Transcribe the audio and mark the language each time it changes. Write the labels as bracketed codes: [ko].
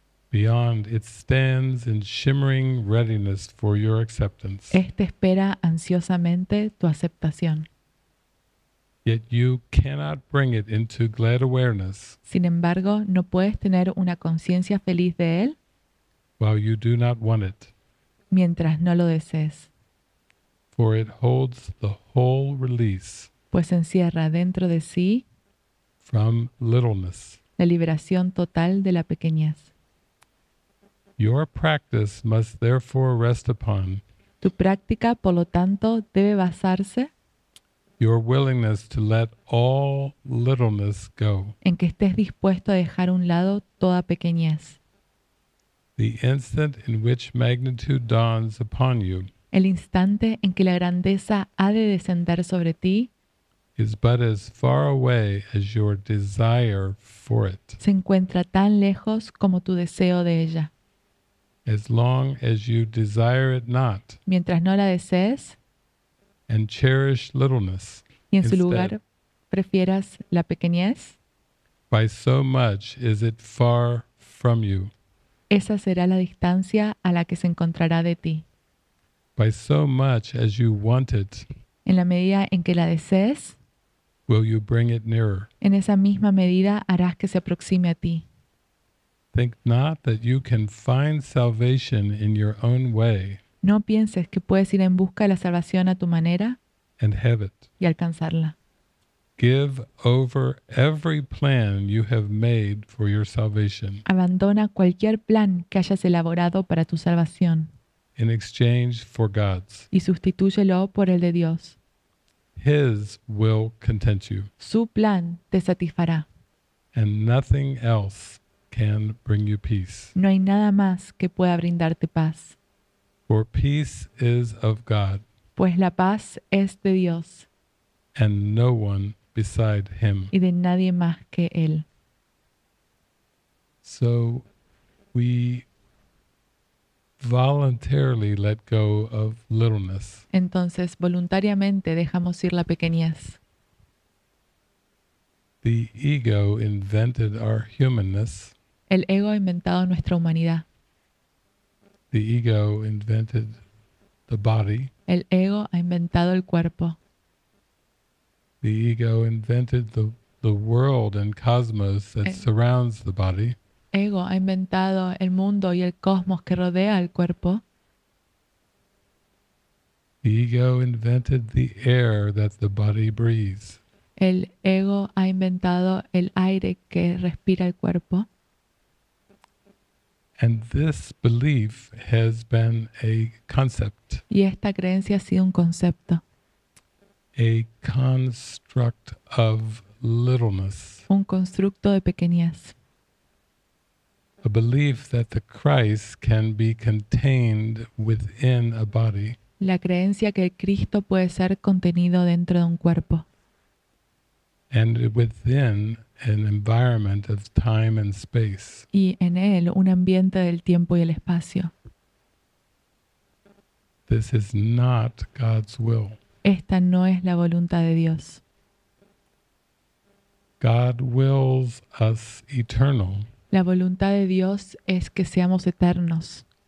[en] beyond it stands in shimmering readiness for your acceptance. [es] Este espera ansiosamente tu aceptación. [en] Yet you cannot bring it into glad awareness. [es] Sin embargo, no puedes tener una conciencia feliz de él. [en] While you do not want it. [es] Mientras no lo desees. [en] For it holds the whole release. [es] Pues encierra dentro de sí. [en] From littleness. [es] La liberación total de la pequeñez. [en] Your practice must therefore rest upon. [es] Tu práctica, por lo tanto, debe basarse. [en] Your willingness to let all littleness go. [es] En que estés dispuesto a dejar a un lado toda pequeñez. [en] The instant in which magnitude dawns upon you, [es] el instante en que la grandeza ha de descender sobre ti, [en] is but as far away as your desire for it. [es] Se encuentra tan lejos como tu deseo de ella. [en] As long as you desire it not, [es] mientras no la desees, [en] and cherish littleness, [es] y en su lugar prefieras la pequeñez, [en] by so much is it far from you. [es] Esa será la distancia a la que se encontrará de ti. [en] By so much as you want it, [es] en la medida en que la desees, [en] will you bring it nearer. [es] En esa misma medida harás que se aproxime a ti. [en] Think not that you can find salvation in your own way. [es] No pienses que puedes ir en busca de la salvación a tu manera [en] and have it. [es] Y alcanzarla. [en] Give over every plan you have made for your salvation. [es] Abandona cualquier plan que hayas elaborado para tu salvación. [en] In exchange for God's. [es] Y sustitúyelo por el de Dios. [en] His will content you. [es] Su plan te satisfará. [en] And nothing else can bring you peace. [es] No hay nada más que pueda brindarte paz. [en] For peace is of God. [es] Pues la paz es de Dios. [en] And no one beside him. [es] Y de nadie más que él. [en] So we voluntarily let go of littleness. [es] Entonces, voluntariamente dejamos ir la pequeñez. [en] The ego invented our humanness. [es] El ego ha inventado nuestra humanidad. [en] The ego invented the body. [es] El ego ha inventado el cuerpo. [en] The ego invented the world and cosmos that surrounds the body. [es] Ego ha inventado el mundo y el cosmos que rodea al cuerpo. [en] The ego invented the air that the body breathes. [es] El ego ha inventado el aire que respira el cuerpo. [en] And this belief has been a concept. [es] Y esta creencia ha sido un concepto. [en] A construct of littleness. [es] Un constructo de pequeñez. [en] A belief that the Christ can be contained within a body. [es] La creencia que el Cristo puede ser contenido dentro de un cuerpo. [en] And within an environment of time and space. [es] Y en él un ambiente del tiempo y el espacio. [en] This is not God's will. [es] Esta no es la voluntad de Dios. [en] God wills us eternal. [es] La voluntad de Dios es que seamos eternos.